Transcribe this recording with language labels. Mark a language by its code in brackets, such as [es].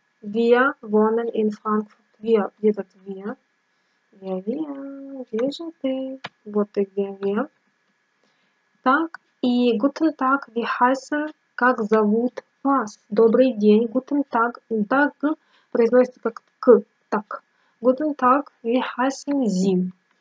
[de] Wir wohnen in Frankfurt. Wir. [ru] Где этот [de] wir? Wir. [ru] Где же ты? Вот ты где, [de] wir. [ru] Так, и [de] guten Tag, wie heißen, [ru] как зовут вас? Добрый день, [de] guten Tag. [ru] Tag произносится как к. Так. [de] Guten Tag, wie heißen Sie?